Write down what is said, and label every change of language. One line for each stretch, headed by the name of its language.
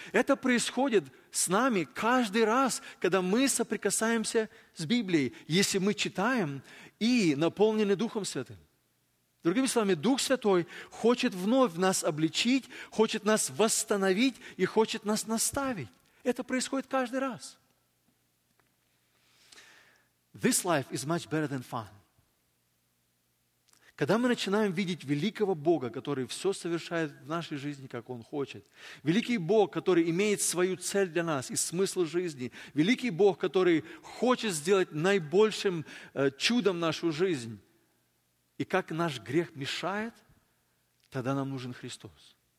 Russian: Это происходит с нами каждый раз, когда мы соприкасаемся с Библией, если мы читаем и наполнены Духом Святым. Другими словами, Дух Святой хочет вновь нас обличить, хочет нас восстановить и хочет нас наставить. Это происходит каждый раз.
English: This life is much better than fun.
Russian: Когда мы начинаем видеть великого Бога, который все совершает в нашей жизни, как Он хочет, великий Бог, который имеет свою цель для нас и смысл жизни, великий Бог, который хочет сделать наибольшим чудом нашу жизнь, и как наш грех мешает, тогда нам нужен Христос.